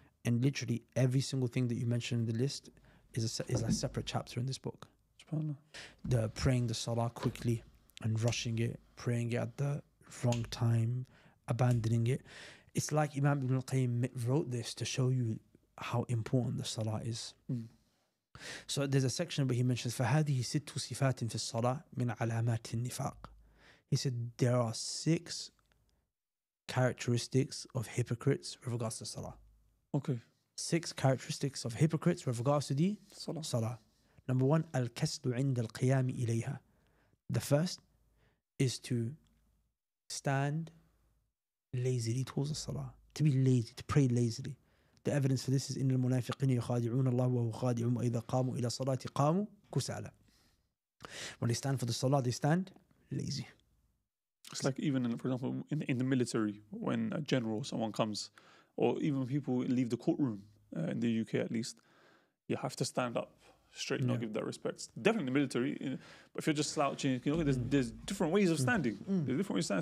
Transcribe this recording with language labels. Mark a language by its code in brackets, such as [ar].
[en] And literally every single thing that you mentioned in the list is a separate chapter in this book. The praying the salah quickly and rushing it, praying it at the wrong time, abandoning it. It's like Imam Ibn Qayyim wrote this to show you how important the salah is. So there's a section where he mentions, [ar] فَهَذِهِ سِتُّ صِفَاتٍ فِي الصَّلَاةِ مِنْ عَلَامَاتِ النِّفَاقِ. [en] He said, there are six characteristics of hypocrites with regards to salah. Okay. Six characteristics of hypocrites with regards to the salah. Number one, [ar] الْكَسْلُ عِنْدَ الْقِيَامِ إِلَيْهَا. [en] The first is to stand lazily towards the salah, to be lazy, to pray lazily. The evidence for this is [ar] إِنَّ الْمُنَافِقِينَ يُخَادِعُونَ اللَّهُ وَهُوَ خَادِعُهُمْ وَإِذَا قَامُوا إِلَى صَلَاتِ قَامُوا كُسَالَى. [en] When they stand for the salah, they stand lazy. It's like, even in, for example, in the military, when a general, someone comes, or even people leave the courtroom, in the UK at least, you have to stand up straight, not give that respect. Definitely the military, you know, but if you're just slouching, you know, there's different ways of standing. There's different ways of standing.